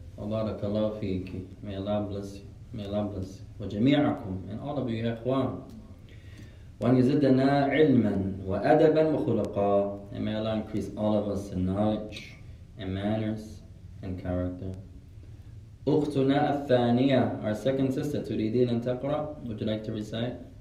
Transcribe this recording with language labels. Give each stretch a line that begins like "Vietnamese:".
English: May Allah bless you.
Arabic: وجميعكم
English: and all of you,
Arabic: ya ikhwan. وأن يزدنا علما وأدبا وخلقا.
English: And may Allah increase all of us in knowledge and manners and character.
Arabic: أختنا الثانية.
English: Our second sister,
Arabic: تريدين أن تقرأ?
English: Would you like to recite?